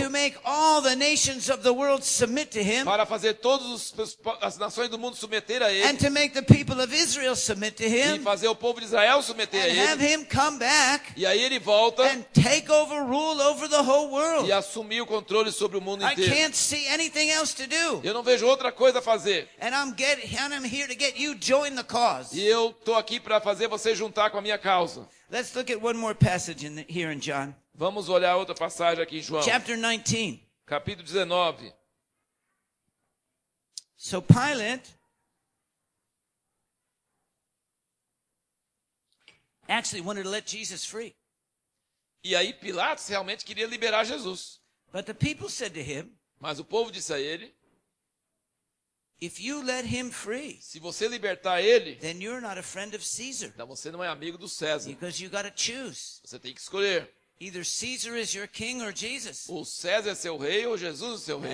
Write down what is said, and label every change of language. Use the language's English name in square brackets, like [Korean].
[English] To make all the nations of the world submit to him. [Portuguese] Para fazer todas as nações do mundo submeter a ele. [English] And to make the people of Israel submit to him. [Portuguese] E fazer o povo de Israel submeter a ele. [English] And have him come back. [Portuguese] E aí ele volta. [English] And take over rule over the whole world. [Portuguese] E assumir o controle sobre o mundo inteiro. [English] I can't see anything else to do. [Portuguese] Eu não vejo outra coisa a fazer. [English] And I'm here to get you join the cause. [Portuguese] E eu estou aqui para fazer você juntar com a minha causa. [English] Let's look at one more passage in here in John. [Portuguese] Vamos olhar outra passagem aqui em João. [English] Chapter 19. [Portuguese] Capítulo 19. [English] So Pilate, actually wanted to let Jesus free. [Portuguese] E aí Pilatos realmente queria liberar Jesus. [English] But the people said to him, [Portuguese] mas o povo disse a ele, [English] if you let him free, [Portuguese] se você libertar ele, [English] then you're not a friend of Caesar. [Portuguese] Então você não é amigo do César. [English] Because you got to choose. [Portuguese] Você tem que escolher. [English] Either Caesar is your king or Jesus. [Portuguese] O César é seu rei ou Jesus é seu rei.